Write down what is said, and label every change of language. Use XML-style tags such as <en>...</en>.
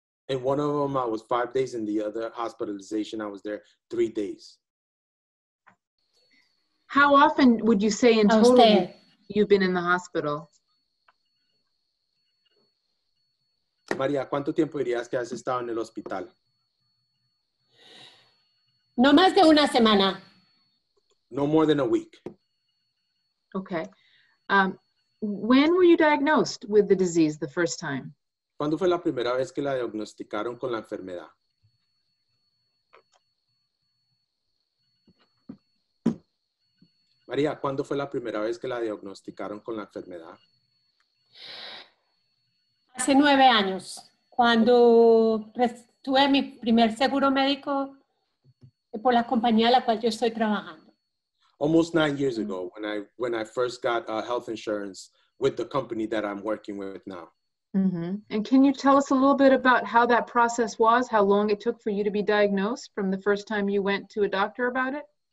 <en>And one of them, I was 5 days, and the other hospitalization, I was there 3 days. How often would you say in total you've been in the hospital?</en> <es>Maria, ¿cuánto tiempo dirías que has estado en el hospital? No más de una semana.</es> <en>No more than a week. Okay. When were you diagnosed with the disease the first time?</en> <es>¿Cuándo fue la primera vez que la diagnosticaron con la enfermedad? María, ¿cuándo fue la primera vez que la diagnosticaron con la enfermedad? Hace 9 años, cuando tuve mi primer seguro médico por la compañía a la cual yo estoy trabajando.</es> <en>Almost 9 years ago, when I first got health insurance with the company that I'm working with now. Mm-hmm. And can you tell us a little bit about how that process was, how long it took for you to be diagnosed from the first time you went to a doctor about it?</en>